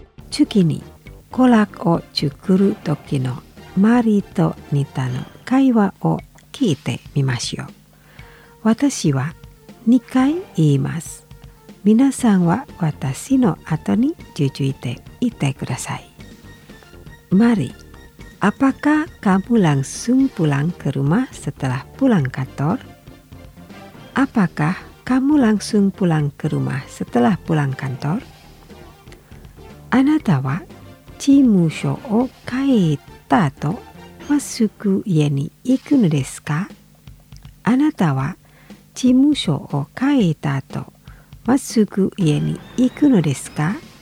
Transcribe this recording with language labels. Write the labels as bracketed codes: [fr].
[ja] 次に、コラクを作る時のマリとニタの会話を聞いてみましょう。私は2回言います。皆さんは私の後に続いて言ってください。 [id] マリ、apakah kamu langsung pulang ke rumah setelah pulang kantor? Apakah kamu langsung pulang ke rumah setelah pulang kantor? [ja] あなたは事務所を帰った後、まっすぐ家に行くのですか? あなたは事務所を帰った後、まっすぐ家に行くのですか?